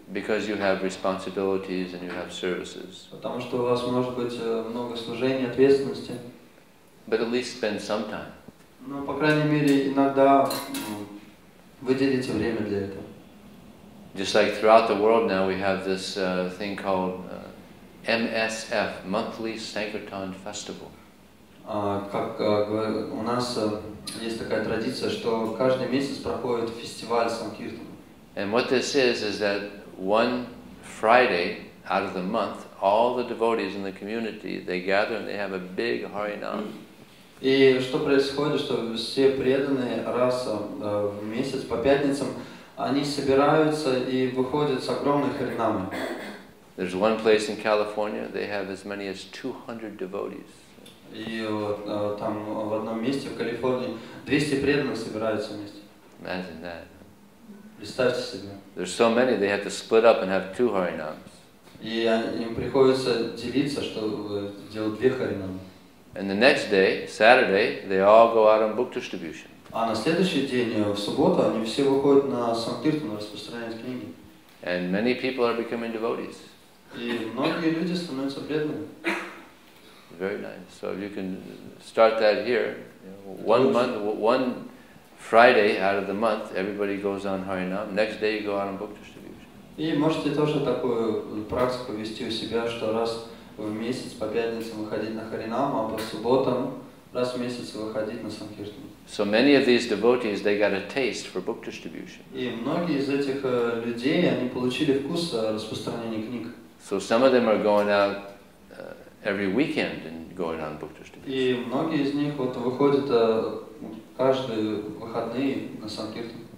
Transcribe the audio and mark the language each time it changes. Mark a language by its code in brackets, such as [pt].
[en] Because you have responsibilities and you have services. [ru] Потому что у вас может быть много служений, ответственности. [en] But at least spend some time. [ru] Но по крайней мере иногда выделите время для этого. [en] Just like throughout the world now, we have this thing called MSF, Monthly Sankirtan Festival. [ru] У нас есть такая традиция, что каждый месяц проходит фестиваль санкиртан. [en] And what this is that one Friday out of the month, all the devotees in the community they gather and they have a big harinam. [ru] И что происходит, что все преданные раз в месяц по пятницам они собираются и выходят с огромной харинамой. [en] There's one place in California they have as many as 200 devotees. [ru] И там в одном месте в Калифорнии 200 преданных собираются вместе. [en] Imagine that. [ru] Представьте себе. [en] There's so many they have to split up and have two harinams. [ru] И им приходится делиться, чтобы делать две харинамы. [en] And the next day, Saturday, they all go out on book distribution. [ru] А на следующий день, в субботу, они все выходят на санкиртану распространять книги. [en] And many people are becoming devotees. [ru] И многие люди становятся преданными. [en] Very nice. So you can start that here. One Friday out of the month, everybody goes on Harinam. Next day, you go out on book distribution. [ru] И можете тоже такую практику вести у себя, что раз в месяц по пятницам выходить на харинам, а по субботам раз в месяц выходить на санкиртан. [en] So many of these devotees they got a taste for book distribution. [ru] И многие из этих людей они получили вкус распространения книг. [en] So some of them are going out every weekend and going on book distribution. [ru] И многие из них вот выходят каждые выходные на санкиртан.